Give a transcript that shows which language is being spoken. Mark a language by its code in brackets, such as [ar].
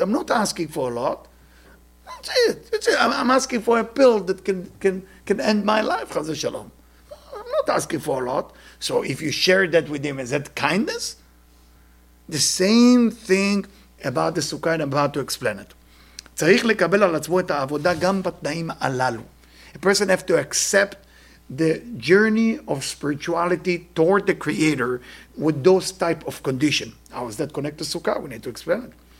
[en] I'm not asking for a lot. That's it. I'm asking for a pill that can end my life, Chas v'Shalom. I'm not asking for a lot. So if you share that with him, is that kindness? The same thing about the Sukkah, and I'm about to explain it. [he] צריך לקבל על עצמו את העבודה גם בתנאים הללו. [en] A person has to accept the journey of spirituality toward the Creator with those type of condition. How is that connected to Sukkah? We need to explain it.